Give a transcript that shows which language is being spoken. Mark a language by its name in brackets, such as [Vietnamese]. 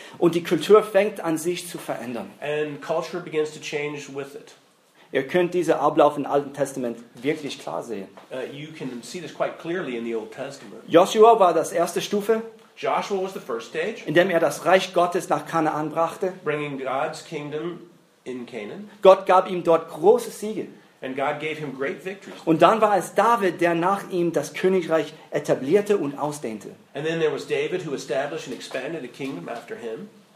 [German] Und die Kultur fängt an sich zu verändern. [English] And culture begins to change with it. [German] Ihr könnt diesen Ablauf im Alten Testament wirklich klar sehen. [English] You can see this quite clearly in the Old Testament. [German] Joshua war das erste Stufe. [English] Joshua was the first stage. [German] Indem er das Reich Gottes nach Kanaan brachte. [English] Bringing God's kingdom in Canaan. [German] Gott gab ihm dort große Siege. [English] And God gave him great victories. [German] Und dann war es David, der nach ihm das Königreich etablierte und ausdehnte. [English] And then there was David, who established and expanded a kingdom after him.